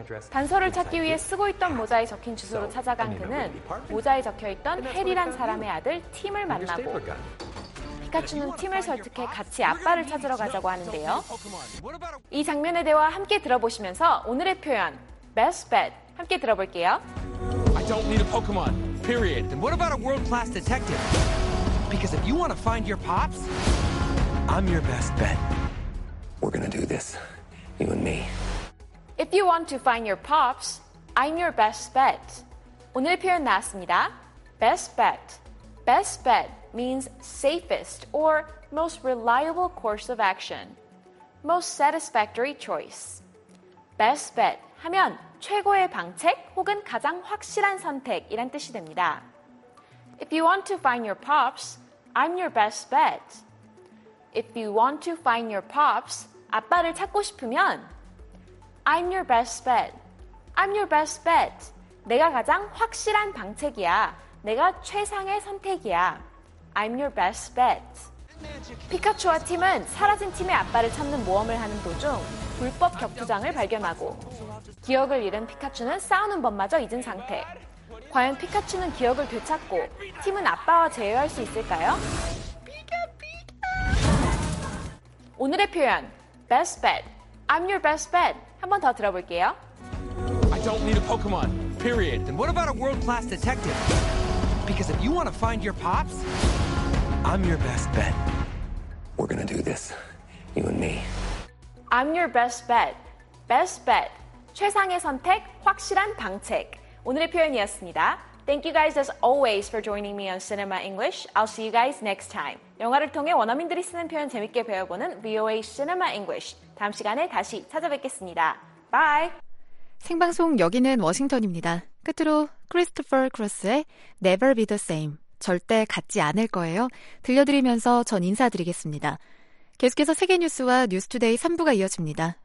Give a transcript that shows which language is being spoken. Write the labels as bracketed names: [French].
[Korean] 단서를 찾기 위해 쓰고 있던 모자에 적힌 주소로 찾아간 그는 모자에 적혀있던 해리란 사람의 아들 팀을 만나고 피카츄는 팀을 설득해 같이 아빠를 찾으러 가자고 하는데요. 이 장면의 대화 함께 들어보시면서 오늘의 표현 Best Bet 함께 들어볼게요. [English] I don't need a Pokemon, period. And what about a world-class detective? Because if you want to find your pops, I'm your best bet. We're gonna do this, you and me. If you want to find your pops, I'm your best bet. [Korean] 오늘 표현 나왔습니다. Best bet. [English] Best bet means safest or most reliable course of action. Most satisfactory choice. [Korean] Best bet 하면 최고의 방책 혹은 가장 확실한 선택이란 뜻이 됩니다. [English] If you want to find your pops, I'm your best bet. If you want to find your pops, [Korean] 아빠를 찾고 싶으면 [English] I'm your best bet. I'm your best bet. [Korean] 내가 가장 확실한 방책이야. 내가 최상의 선택이야. [English] I'm your best bet. [Korean] 피카츄와 팀은 사라진 팀의 아빠를 찾는 모험을 하는 도중 불법 격투장을 발견하고 기억을 잃은 피카츄는 싸우는 법마저 잊은 상태. 과연 피카츄는 기억을 되찾고 팀은 아빠와 재회할 수 있을까요? 오늘의 표현, [English] best bet, I'm your best bet. [Korean] 한 번 더 들어볼게요. [English] I don't need a Pokemon, period. And what about a world-class detective? Because if you want to find your pops, I'm your best bet. We're gonna do this, you and me. I'm your best bet, best bet. [Korean] 최상의 선택, 확실한 방책. 오늘의 표현이었습니다. [English] Thank you guys as always for joining me on Cinema English. I'll see you guys next time. [Korean] 영화를 통해 원어민들이 쓰는 표현 재밌게 배워보는 VOA Cinema English. 다음 시간에 다시 찾아뵙겠습니다. [English] Bye! [Korean] 생방송 여기는 워싱턴입니다. 끝으로 크리스토퍼 크로스의 Never Be The Same, 절대 같지 않을 거예요. 들려드리면서 전 인사드리겠습니다. 계속해서 세계 뉴스와 뉴스투데이 3부가 이어집니다.